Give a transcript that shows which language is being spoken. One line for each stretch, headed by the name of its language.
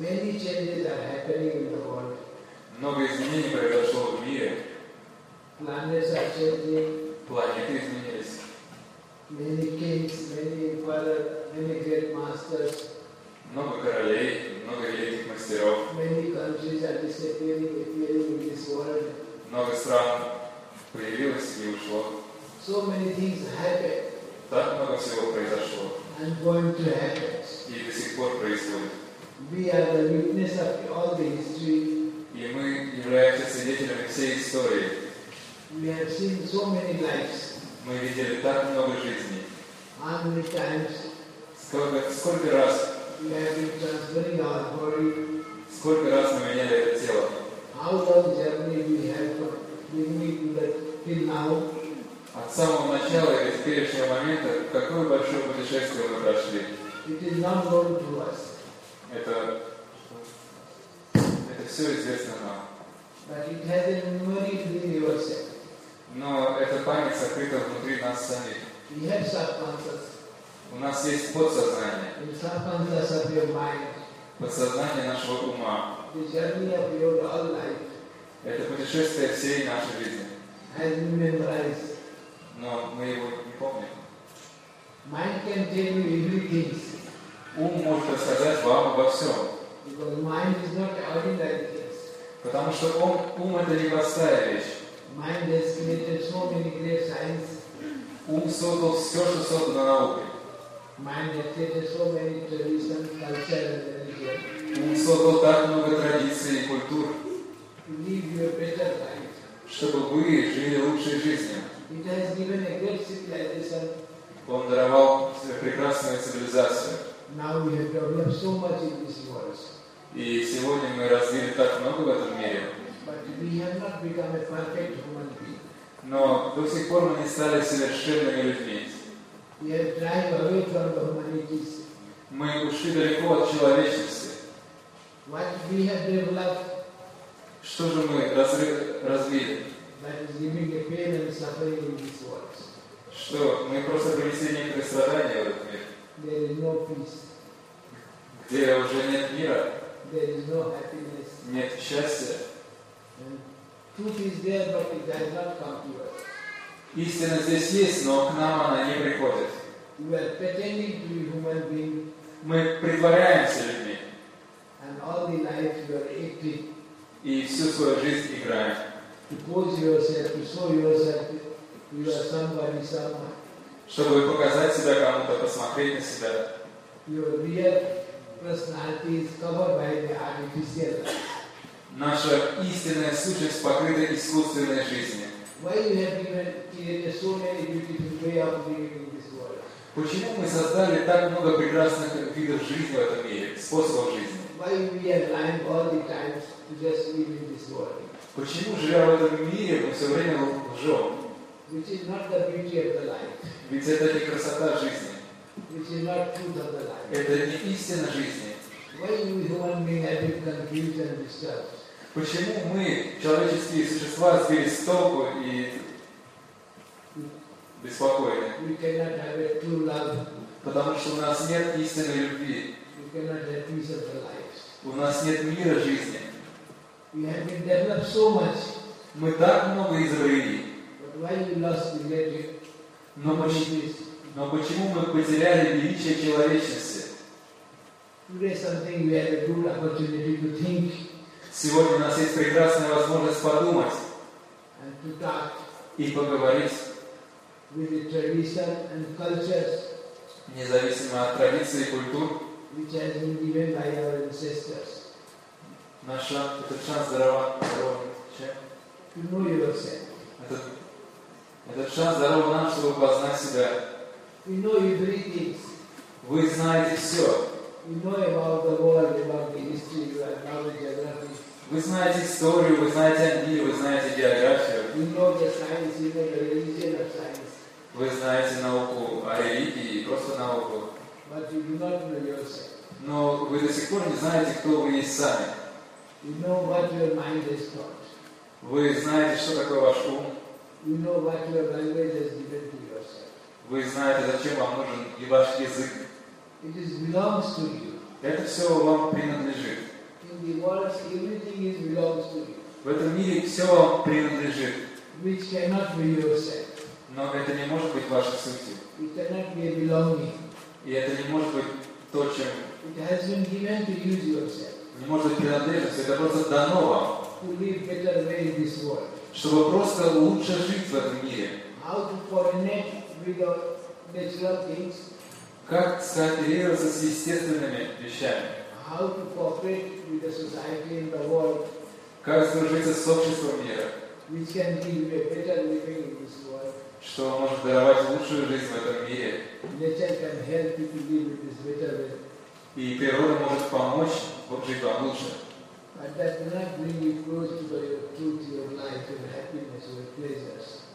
English: Many changes are happening in the world.
Russian: Много изменений произошло в мире.
English: Planets are changing.
Russian: Планеты изменились.
English: Many kings, many father, many great masters.
Russian: Много королей, много великих мастеров.
English: Many countries are disappearing, appearing in this world.
Russian: Много стран появилось и ушло.
English: So many things happened.
Russian: Так много всего произошло.
English: And going to happen.
Russian: И до сих пор происходит.
English: We are the witness of all the history.
Russian: И мы являемся свидетелями всей истории.
English: We have seen so many lives.
Russian: Мы видели так много жизней.
English: How many times?
Russian: Сколько раз?
English: We have been transferring our body.
Russian: Сколько раз мы меняли это тело?
English: How long journey we have been doing that till now?
Russian: От самого начала и до теперешнего момента какое большое путешествие мы прошли?
English: It is not known to us.
Russian: Это все известно нам.
English: But it has a memory within yourself.
Russian: Но эта память сокрыта внутри нас самих.
English: We have subconscious.
Russian: У нас есть подсознание.
English: The subconscious of your mind.
Russian: Подсознание нашего ума.
English: The journey of your whole life.
Russian: Это путешествие всей нашей жизни.
English: Has been memorized.
Russian: Но мы его не помним.
English: Mind can tell you everything.
Russian: Ум может рассказать вам обо всем.
English: Because mind is not ordinary things.
Russian: Потому что ум это не простая вещь.
English: Mind has created so many great science.
Russian: Ум создал все, что создано наукой.
English: Mind has created so many traditions, culture and religion.
Russian: Ум создал так много традиций и культур.
English: To live your better life.
Russian: Чтобы вы жили лучшей жизнью.
English: It has given a great civilization.
Russian: Он даровал прекрасную цивилизацию.
English: Now we have developed so much in this world.
Russian: И сегодня мы развили так много в этом мире.
English: But we have not become a perfect human being.
Russian: Но до сих пор мы не стали совершенными людьми.
English: We have drive away from the humanity.
Russian: Мы ушли далеко от человечности.
English: What we have developed.
Russian: Что же мы развили?
English: That is giving a pain and suffering in this world.
Russian: Что? Мы просто принесли некоторые страдания в этот мир.
English: There is no peace.
Russian: Где уже нет мира.
English: There is no happiness.
Russian: Нет счастья.
English: And truth is there, but it does not come to us.
Russian: Истина здесь есть, но к нам она не приходит.
English: We are pretending to be human being.
Russian: Мы притворяемся людьми.
English: And all the life you are acting.
Russian: И всю свою жизнь играем.
English: To pose yourself, to show yourself, you are somebody, someone.
Russian: Чтобы показать себя кому-то, посмотреть на себя.
English: Your real personality is covered by the artificial life.
Russian: Наша истинная сущность покрыта искусственной жизнью.
English: Why you have created so many beautiful way of living in this world?
Russian: Почему мы создали так много прекрасных видов жизни в этом мире, способов жизни?
English: Why we are lying all the time to just live in this world?
Russian: Почему, живя в этом мире, мы все время лжем?
English: Which is not the beauty of the life.
Russian: Ведь это не красота жизни.
English: Which is not truth of the life.
Russian: Это не истина жизни.
English: Why do we human beings have been confused and disturbed?
Russian: Почему мы, человеческие существа, сбились с толку и беспокоены?
English: We cannot have a true love.
Russian: Потому что у нас нет истинной любви.
English: We cannot have peace of the life.
Russian: У нас нет мира жизни.
English: We have been developed so much.
Russian: Мы так много изобрели.
English: But why we lost the magic?
Russian: Но почему мы потеряли величие человечности?
English: Today something we had a good opportunity to think.
Russian: Сегодня у нас есть прекрасная возможность подумать.
English: And to talk.
Russian: И поговорить.
English: With the tradition and cultures.
Russian: Независимо от традиций и культур.
English: Which has been given by our ancestors.
Russian: Наша этот шанс дарован человеку. Этот шанс дарован нам, чтобы познать себя.
English: We know everything.
Russian: Вы знаете все.
English: You know about the world, about the history, about the geography.
Russian: Вы знаете историю, вы знаете мир, вы знаете географию.
English: You know the science, even the religion of science.
Russian: Вы знаете науку о религии, просто науку.
English: But you do not know yourself.
Russian: Но вы до сих пор не знаете, кто вы есть сами.
English: You know what your mind has taught.
Russian: Вы знаете, что такое ваш ум.
English: You know what your language has given to yourself.
Russian: Вы знаете, зачем вам нужен и ваш язык.
English: It is belongs to you.
Russian: Это все вам принадлежит.
English: In the world, everything is belongs to you.
Russian: В этом мире все вам принадлежит.
English: Which cannot be yourself.
Russian: Но это не может быть вашей сути.
English: It cannot be a belonging.
Russian: И это не может быть то, чем...
English: It has been given to use yourself.
Russian: Не может быть принадлежность. Это просто дано вам.
English: To live better way in this world.
Russian: Чтобы просто лучше жить в этом мире.
English: How to coordinate with our natural things.
Russian: Как скооперироваться с естественными вещами?
English: How to cooperate with the society and the world?
Russian: Как сдружиться с обществом мира?
English: Which can give a better living in this world?
Russian: Что может даровать лучшую жизнь в этом мире?
English: Nature can help you to live with this better way.
Russian: И природа может помочь жить вам лучше.
English: But that will not bring you close to your truth, your life, your happiness, your pleasures.